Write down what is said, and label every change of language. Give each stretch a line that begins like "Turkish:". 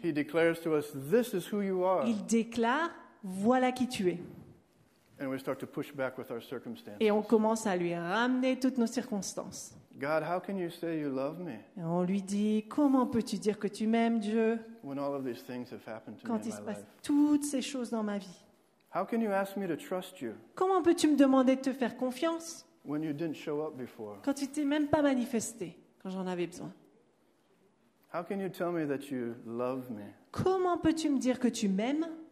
English: He declares to us, "This is who you are."
French: Il déclare, voilà qui tu es.
English: And we start to push back with our circumstances.
French: Et on commence à lui ramener toutes nos circonstances.
English: God, how can you say you love me?
French: Et on lui dit, comment peux-tu dire que tu m'aimes, Dieu?
English: When all of these things have happened to
French: quand
English: me in
French: il se
English: my
French: passe
English: life.
French: Toutes ces choses dans ma vie.
English: How can you ask me to trust you?
French: Comment peux-tu me demander de te faire confiance?
English: When you didn't show up before.
French: Quand tu t'es même pas manifesté, quand j'en avais besoin.
English: How can you tell me that you love me?
French: Comment peux-tu me dire que tu m'aimes?